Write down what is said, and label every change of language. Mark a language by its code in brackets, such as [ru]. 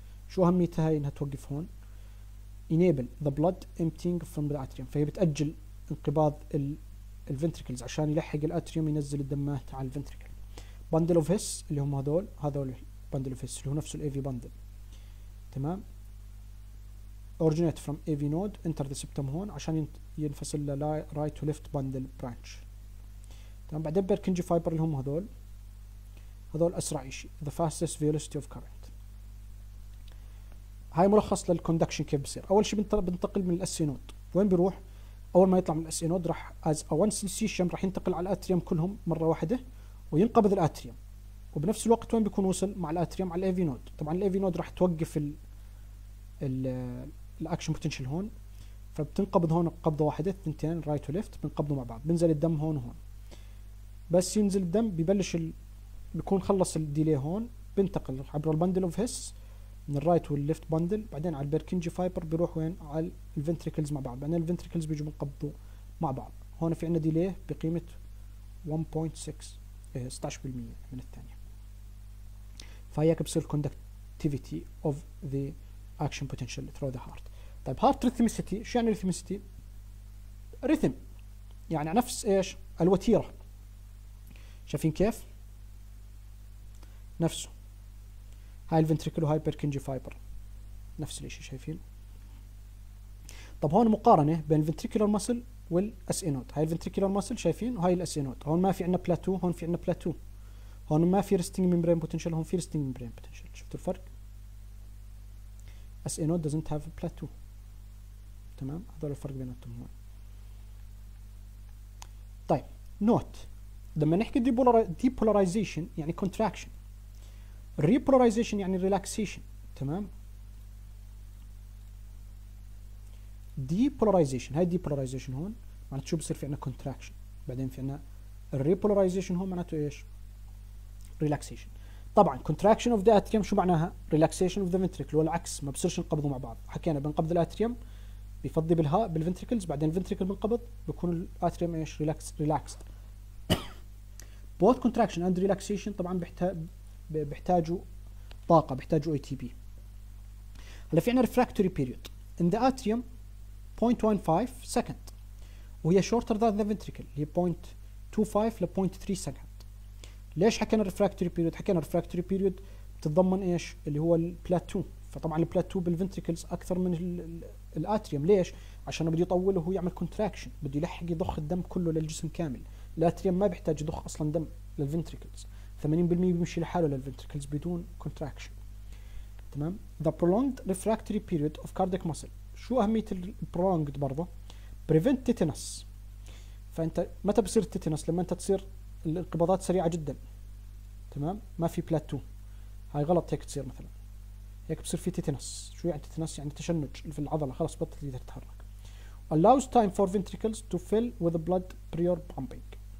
[ar] شو اهميتها هاي انها توقف هون؟ [en] Enable the blood emptying from the atrium. [ar] فهي بتاجل انقباض الفنتريكلز عشان يلحق الاتريوم ينزل الدمات على الفنتريكل. بندل اوف هيس اللي هم هذول، هذول بندل اوف هيس اللي هو نفسه الاي في بندل. [en] تمام؟ originate from AV node enter the septum هون عشان ينفصل ل right to left bundle branch. [ar] تمام؟ بعدين بيركنجي فايبر اللي هم هذول، هذول اسرع شيء [en] the fastest velocity of current. [ar] هاي ملخص للكوندكشن كيف بصير. اول شيء بنتقل من الاس اي نود. وين بيروح؟ اول ما يطلع من الاس اي نود راح as a one cc شم راح ينتقل على الاتريوم كلهم مره واحده وينقبض الاتريوم. وبنفس الوقت وين بيكون وصل؟ مع الاتريوم على الاي في نود. طبعا الاي في نود راح توقف الاكشن بوتنشال هون، فبتنقبض هون قبضه واحده اثنتين رايت وليفت بنقبضوا مع بعض، بنزل الدم هون وهون. بس ينزل الدم ببلش بيكون خلص الديلي هون، بنتقل عبر البندل اوف هيس من الرايت والليفت بندل، بعدين على البركنجي فايبر بيروح وين؟ على الفنتريكلز مع بعض، بعدين الفنتريكلز بيجوا بنقبضوا مع بعض. هون في عندنا ديلي بقيمه 1.6 16% من الثانيه. [en] فهيك بصير conductivity of the action potential through the heart. [ar] طيب heart rhythmicity شو يعني rhythmicity؟ rhythm يعني نفس ايش؟ الوتيرة. شايفين كيف؟ نفسه هاي الventricle وهاي البركنجي فايبر نفس الاشي شايفين. طب هون مقارنة بين الventricular muscle والاس اي نود. هاي الventricular muscle شايفين وهاي الاس اي نود. هون ما في عندنا plateau، هون في عندنا plateau. هون ما في resting membrane potential، هون في resting membrane potential. شفتوا الفرق؟ [en] SA node doesn't have a plateau. [ar] تمام؟ هذول الفرق بيناتهم هون. طيب note لما نحكي depolarization يعني contraction، repolarization يعني relaxation. تمام؟ depolarization هاي depolarization هون معناته شو بصير؟ في عندنا contraction، بعدين في عندنا repolarization هون معناته ايش؟ ريلاكسيشن. طبعا contraction of the atrium شو معناها؟ relaxation of the ventricle، والعكس ما بصيرش ينقبضوا مع بعض. حكينا بنقبض الاتريوم بيفضي بالها بالفنتريكلز، بعدين الفنتريكل بنقبض بيكون الاتريوم ايش؟ ريلاكس ريلاكس. [en] both contraction and relaxation [ar] طبعا بيحتاجوا طاقه، بيحتاجوا اي تي بي. [en] هلا في عندنا refractory period in the atrium 0.15 second وهي shorter than the ventricle اللي هي 0.25 ل 0.3 second. [ar] ليش حكينا refractory period؟ حكينا refractory period بتتضمن ايش؟ اللي هو البلاتو، فطبعا البلاتو بالفنتريكلز اكثر من الاتريوم. ليش؟ عشان بده يطول وهو يعمل contraction، بده يلحق يضخ الدم كله للجسم كامل. الاتريوم ما بيحتاج يضخ اصلا دم للفنتريكلز، 80% بيمشي لحاله للفنتريكلز بدون contraction. [en] تمام؟ the prolonged refractory period of cardiac muscle، [ar] شو اهميه البرولونجد برضه؟ [en] prevent tetanus. [ar] فانت متى بصير التيتنس؟ لما انت تصير الانقباضات سريعة جدا، تمام؟ ما في بلاتو، هاي غلط. هيك تصير مثلا هيك بصير في تيتنس. شو يعني تيتنس؟ يعني تشنج في العضلة، خلاص بطل يقدر يتحرك. [en] allows time for ventricles to fill with blood prior pumping.